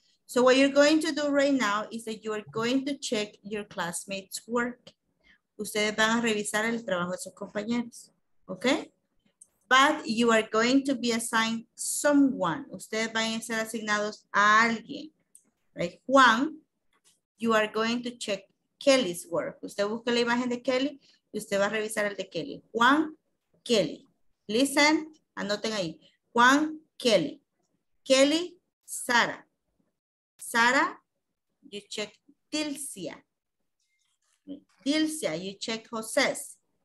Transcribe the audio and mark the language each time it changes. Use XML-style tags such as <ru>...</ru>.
<en>So what you're going to do right now is that you are going to check your classmates' work.</en> <es>Ustedes van a revisar el trabajo de sus compañeros, okay?</es> <en>But you are going to be assigned someone.</en> <es>Ustedes van a ser asignados a alguien.</es> <en>Right? Juan, you are going to check Kelly's work.</en> <es>Usted busca la imagen de Kelly y usted va a revisar el de Kelly. Juan, Kelly.</es> <en>Listen,</en> <es>anoten ahí. Juan, Kelly. Kelly, Sara.</es> <en>Sara, you check Dilcia. Dilcia, you check José's.</en>